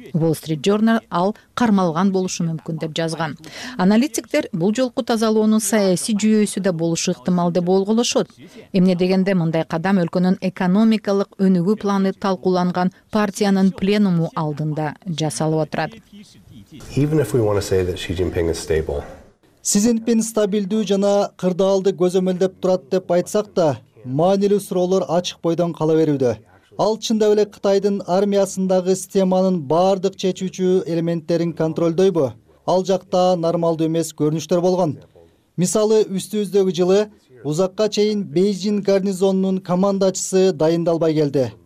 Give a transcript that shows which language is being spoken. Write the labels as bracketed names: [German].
[Kyrgyz] Wall Street Journal ал кармалган болушу мүмкүн деп жазган. Аналитиктер бул жолку тазалоонун саясий жүйөсү да болушу ыктымал деп болголошот. Эмне дегенде мындай кадам өлкөнүн экономикалык өнүгүү планы талкууланган партиянын пленуму алдында жасалып отурат. [English] Even if we want to say that Xi Jinping is stable. [Kyrgyz] Си Цзиньпин стабилдүү жана кырдаалды көзөмөлдөп турат деп айтсак да, маанилүү суроолор ачык бойдон кала берүүдө. Ал чындап эле Кытайдын армиясындагы системанын баардык чечүүчү элементтерин контролдойбу? Ал жакта нормалдуу эмес көрүнүштөр болгон. Мисалы, үстүбүздөгү жылы узакка чейин Бейжин гарнизонунун командачысы дайындалбай келди.